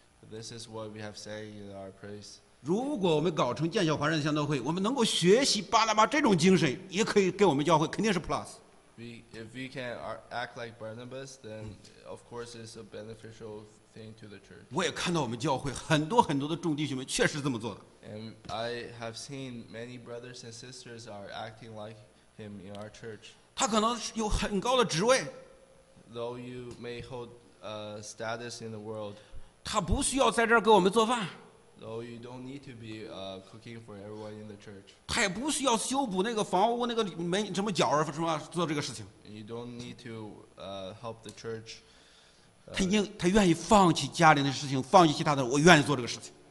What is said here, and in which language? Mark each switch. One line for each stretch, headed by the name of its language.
English: ？This is what we have said in our praise.
Chinese: 如果我们搞成剑桥华人的相道会，我们能够学习巴拿巴这种精神，也可以给我们教会，肯定是 plus。
English: If we can act like Barnabas, then of course it's a beneficial thing to the church.
Chinese: 我也看到我们教会很多很多的众弟兄们确实这么做的。
English: And I have seen many brothers and sisters are acting like him in our church.
Chinese: 他可能有很高的职位。
English: Though you may hold a status in the world.
Chinese: 他不需要在这儿给我们做饭。
English: Though you don't need to be cooking for everyone in the church.
Chinese: 他也不需要修补那个房屋那个门什么角儿什么做这个事情。
English: You don't need to help the church.
Chinese: 他愿意放弃家里的事情，放弃其他的，我愿意做这个事情。